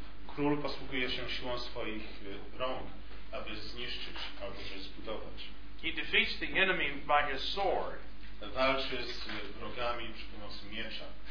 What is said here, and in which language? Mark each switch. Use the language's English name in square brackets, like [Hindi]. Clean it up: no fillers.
[Polish] Król posługuje się siłą swoich rąk, aby zniszczyć albo się zbudować. [English] He defeats the enemy by his sword. [Polish] Walczy z wrogami przy pomocy miecza.